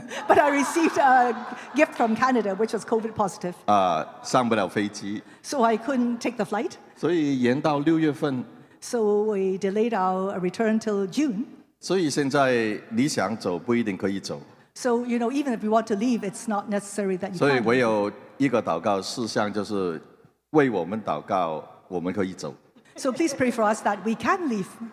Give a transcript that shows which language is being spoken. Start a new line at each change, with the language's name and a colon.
English: But I received a gift from Canada, which was COVID positive.
Chinese: 上不了飞机。
English: So I couldn't take the flight.
Chinese: 所以延到六月份。
English: So we delayed our return till June.
Chinese: 所以现在你想走不一定可以走。
English: So you know, even if you want to leave, it's not necessary that you.
Chinese: 所以我有一个祷告事项，就是为我们祷告，我们可以走。
English: So please pray for us that we can leave.